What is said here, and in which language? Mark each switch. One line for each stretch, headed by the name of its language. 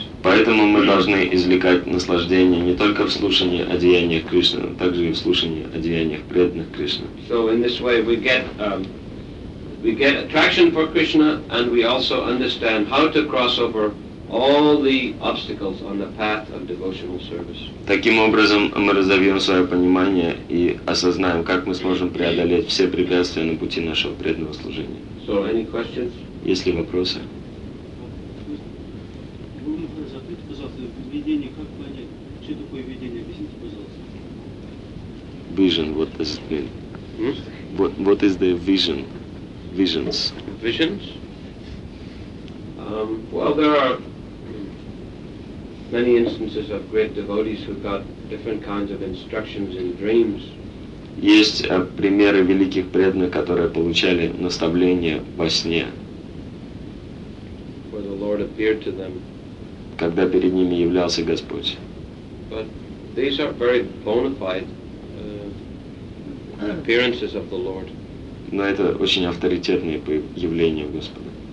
Russian: Поэтому мы должны извлекать наслаждение не только в слушании о деяниях Кришны, но также и в слушании о деяниях преданных Кришны.
English: So in this way we get attraction for Krishna, and we also understand how to cross over all the obstacles on the path of devotional service.
Russian: Таким образом, мы разовьем свое понимание и осознаем, как мы сможем преодолеть все препятствия на пути нашего преданного служения.
English: So, any questions?
Russian: Есть ли вопросы? Вы запретите, пожалуйста, видение, как понять, что такое видение, объясните, пожалуйста.
English: Vision, what does it mean? What is the vision? Visions. Visions? Well, there are many instances of great devotees who got different kinds of instructions in dreams.
Russian: Есть примеры великих преданных, которые получали наставления во сне.
English: Where the Lord appeared to them.
Russian: Когда перед ними являлся Господь.
English: But these are very bona fide appearances of the Lord.
Russian: Но это очень авторитетные явления Господа.